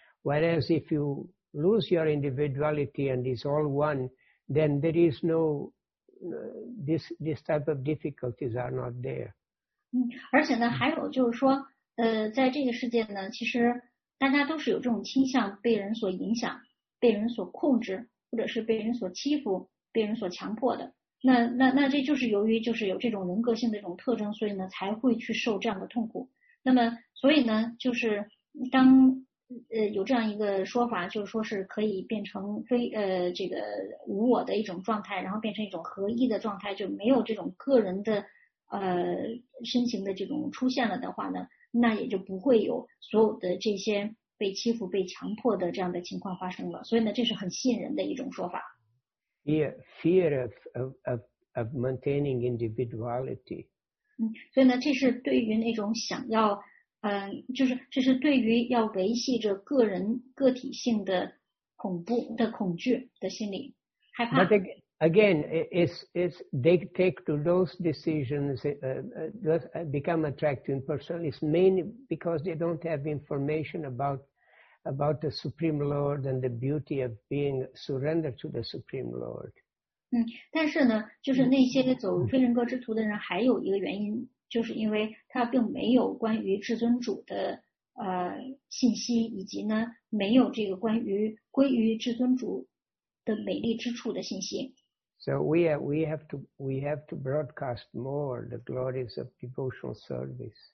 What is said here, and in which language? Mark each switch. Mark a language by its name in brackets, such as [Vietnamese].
[English] Whereas if you lose your individuality and it's all one, then there is no, this type of difficulties are not there. [Chinese] 而且呢，还有就是说，在这个世界呢，其实大家都是有这种倾向，被人所影响，被人所控制，或者是被人所欺负、被人所强迫的。那这就是由于就是有这种人格性的这种特征，所以呢才会去受这样的痛苦。那么所以呢，就是当有这样一个说法，就是说是可以变成非这个无我的一种状态，然后变成一种合一的状态，就没有这种个人的身形的这种出现了的话呢，那也就不会有所有的这些被欺负、被强迫的这样的情况发生了。所以呢，这是很吸引人的一种说法。 [English] Fear of maintaining individuality。 [Chinese] 所以呢，这是对于那种想要就是这是对于要维系着个人个体性的恐怖的恐惧的心理害怕。 [English] But again, it's they take to those decisions become attracting personally. It's mainly because they don't have information about the Supreme Lord and the beauty of being surrendered to the Supreme Lord. [Chinese] 但是呢，就是那些走非人格之途的人还有一个原因，就是因为他并没有关于至尊主的信息，以及呢没有这个关于归于至尊主的美丽之处的信息。 [English] So we have to broadcast more the glories of devotional service.